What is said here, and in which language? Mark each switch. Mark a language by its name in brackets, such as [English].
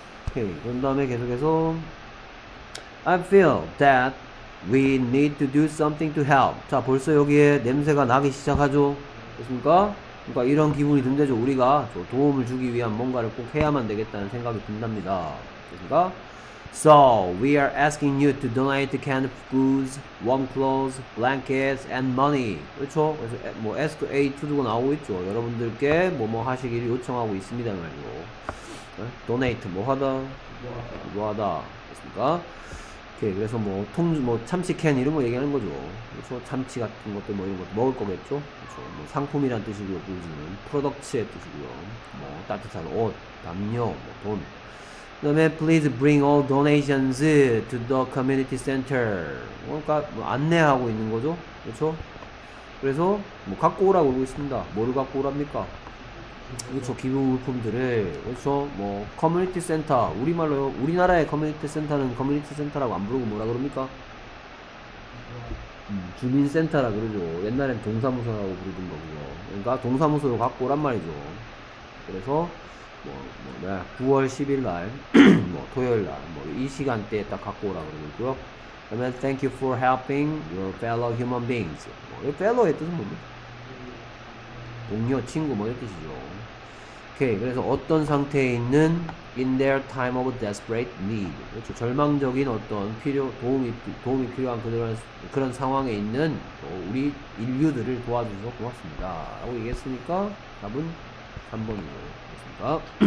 [Korean] 오케이. 그런 다음에 계속해서 [English] I feel that we need to do something to help. [Korean] 자, 벌써 여기에 냄새가 나기 시작하죠. 그렇습니까? 그러니까 이런 기분이 든대죠. 우리가 도움을 주기 위한 뭔가를 꼭 해야만 되겠다는 생각이 든답니다. 그렇습니까? [English] So, we are asking you to donate canned foods, warm clothes, blankets, and money. [Korean] 그렇죠? 그래서 뭐 ask aid도 나오고 있죠. 여러분들께 뭐뭐 하시기를 요청하고 있습니다. 말고. Donate, 뭐하다? 뭐하다? 그렇습니까? 오케이, 그래서 뭐 통주, 뭐 참치 캔 이런 거 얘기하는 거죠. 그렇죠? 참치 같은 것들 뭐 이런 것 먹을 거겠죠? 그렇죠? 뭐 상품이란 뜻이고요. 굳이는 프로덕트의 뜻이고요. 뭐 따뜻한 옷, 담요, 뭐 돈. 그 다음에 [English] please bring all donations to the community center. [Korean] 그러니까 뭐 안내하고 있는 거죠. 그렇죠? 그래서 뭐 갖고 오라고 그러고 있습니다. 뭐를 갖고 오랍니까? 그렇죠. 기부 물품들을. 그렇죠. 뭐 커뮤니티 센터. 우리말로 우리나라의 커뮤니티 센터는 커뮤니티 센터라고 안 부르고 뭐라 그럽니까? 주민센터라 그러죠. 옛날엔 동사무소라고 부르던 거고요. 그러니까 동사무소로 갖고 오란 말이죠. 그래서 뭐 9월 10일 날 뭐 토요일 날 뭐 이 시간대에 딱 갖고 오라 그러고 있고요. 그러면 [English] thank you for helping your fellow human beings. [Korean] 뭐 이 fellow의 뜻은 뭡니까? 동료, 친구 뭐 이런 뜻이죠. 오케이. 그래서 어떤 상태에 있는 [English] in their time of desperate need. [Korean] 그렇죠. 절망적인 어떤 필요 도움이 필요한 그런 상황에 있는 우리 인류들을 도와주셔서 고맙습니다 라고 얘기했으니까 답은 3번이고요.